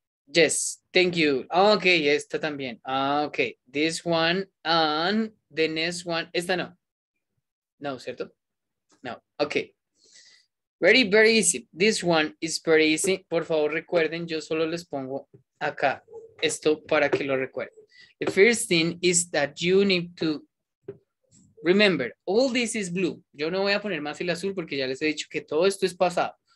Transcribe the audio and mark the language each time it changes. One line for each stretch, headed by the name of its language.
English: Yes, thank you. Okay,
Spanish: esta también.
English: Okay, this one and the next one.
Spanish: Esta no. No, ¿cierto?
English: No. Okay. Very, very easy. This one is very easy.
Spanish: Por favor, recuerden, yo solo les pongo acá esto para que lo recuerden.
English: The first thing is that you need to remember, all this is blue.
Spanish: Yo no voy a poner más el azul porque ya les he dicho que todo esto es pasado.